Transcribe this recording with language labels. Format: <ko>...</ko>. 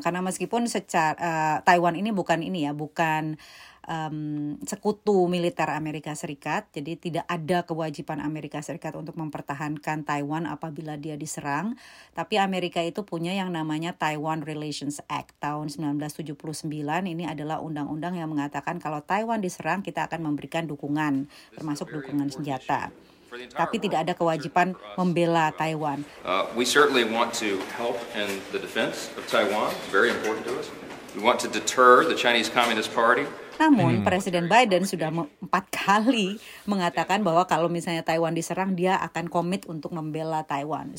<id>Karena meskipun Taiwan ini bukan sekutu militer Amerika Serikat, jadi tidak ada kewajiban Amerika Serikat untuk mempertahankan Taiwan apabila dia diserang. Tapi Amerika itu punya yang namanya Taiwan Relations Act tahun 1979. Ini adalah undang-undang yang mengatakan kalau Taiwan diserang, kita akan memberikan dukungan, termasuk dukungan senjata. Tapi tidak ada kewajiban membela Taiwan.</id> <en>We certainly want to help in the defense of Taiwan. Very important to us. We want to deter the Chinese Communist Party.</en> <id>Namun Presiden Biden sudah 4 kali mengatakan bahwa kalau misalnya Taiwan diserang, dia akan komit untuk membela Taiwan.</id>